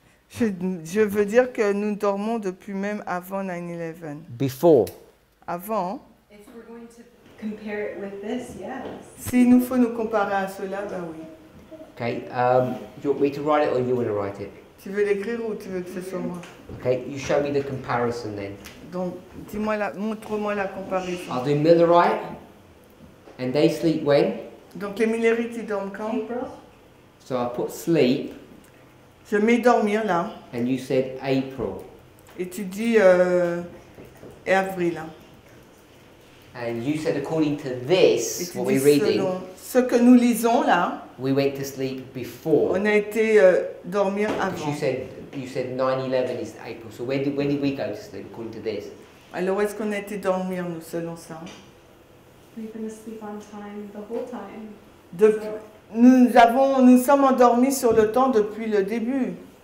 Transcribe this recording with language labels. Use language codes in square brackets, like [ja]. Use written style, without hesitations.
[fr] Je veux dire que nous dormons depuis même avant 9-11. [en] Before. [fr] Avant. [en] If we're going to compare it with this, yes. [fr] Si nous faut nous comparer à cela, ben oui. [en] Okay. Do you want me to write it or you want to write it? [fr] Tu veux l'écrire ou tu veux que ce soit moi? [en] Okay. You show me the comparison then. [fr] Donc, dis-moi la, montre-moi la comparaison. [en] I'll do Millerite. And they sleep when? [fr] Donc les Millerites ils dorment quand? [en] April. So I put sleep. [fr] Je mets dormir là. [en] And you said April. [fr] Et tu dis avril. [en] And you said according to this, what we're reading. [fr] Ce que nous lisons là. [en] We went to sleep before. [fr] On a été dormir avant. [en] Because you said 9-11 is April. So when did we go to sleep according to this? [fr] Alors est-ce qu'on a été dormir nous selon ça? [en] We've been asleep on time the whole time. [fr] Depuis. So. Nous sommes endormis sur le temps depuis le début.